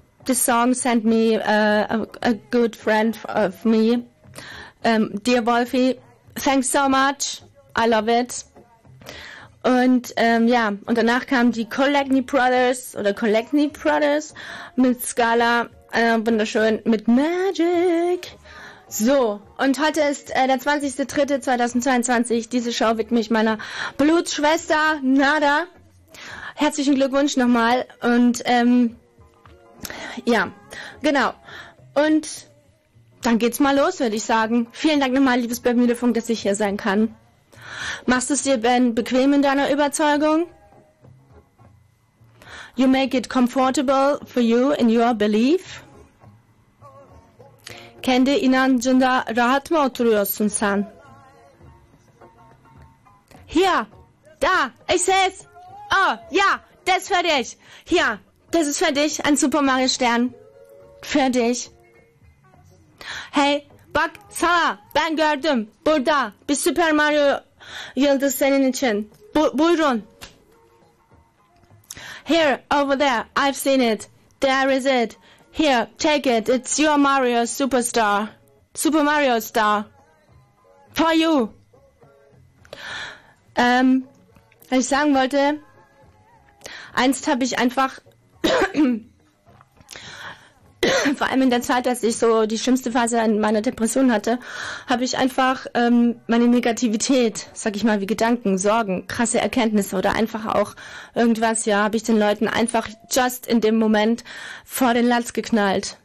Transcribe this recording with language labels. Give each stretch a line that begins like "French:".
English: The song sent me a good friend of me. Dear Wolfie, thanks so much. I love it.
German: Und ja, und danach kamen die Collectney Brothers mit Scala. Wunderschön mit Magic. So, und heute ist der 20.03.2022. Diese Show widme ich meiner Blutschwester Nada. Herzlichen Glückwunsch nochmal. Und ja, genau. Und dann geht's mal los, würde ich sagen. Vielen Dank nochmal, liebes Bermudefunk, dass ich hier sein kann. Machst du es dir, Ben, bequem in deiner Überzeugung?
English: You make it comfortable for you in your belief?
Turkish: Kendi inancında rahat mı oturuyorsun sen?
German: Hier, da, ich sehe es. Oh, ja, das ist für dich. Hier, das ist für dich, ein Super Mario Stern. Für dich.
Turkish: Hey, bak sana, ben gördüm. Burada, bir Super Mario Yıldız senin için. Buyurun.
English: Here, over there, I've seen it. There is it. Here, take it. It's your Mario Superstar. Super Mario Star. For you.
German: Was ich sagen wollte, einst habe ich einfach, vor allem in der Zeit, als ich so die schlimmste Phase in meiner Depression hatte, habe ich einfach meine Negativität, sag ich mal, wie Gedanken, Sorgen, krasse Erkenntnisse oder einfach auch irgendwas, ja, habe ich den Leuten einfach just in dem Moment vor den Latz geknallt.